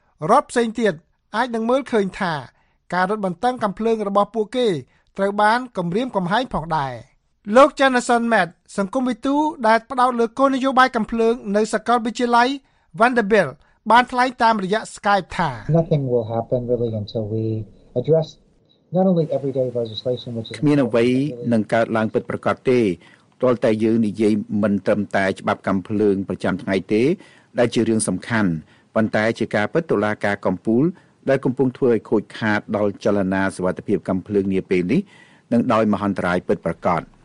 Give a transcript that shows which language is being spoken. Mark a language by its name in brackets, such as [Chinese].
[Khmer] រដ្ឋផ្សេងទៀតអាចនឹងមើលឃើញថាការរឹតបន្តឹងកំភ្លើងរបស់ពួកគេត្រូវបានគម្រាមកំហែងផងដែរលោក Jennison Matt សង្គមវិទូដែលផ្ដោតលើគោលនយោបាយកំភ្លើងនៅសាកលវិទ្យាល័យ Vanderbilt បានថ្លែងតាមរយៈ Skype ថា [English] Nothing will happen really until we address not only everyday legislation which is [Khmer] មានអ្វីនឹងកើតឡើងពិតប្រាកដទេទាល់តែយើងនិយាយមិនត្រឹមតែច្បាប់កំភ្លើងប្រចាំថ្ងៃទេដែលជារឿងសំខាន់ប៉ុន្តែជាការពិតតុលាការកំពូលដែលកំពុងធ្វើឲ្យខូចខាតដល់ចលនាសវត្ថិភាពកំភ្លើងនាពេលនេះនឹងដោយមហន្តរាយពិតប្រាកដ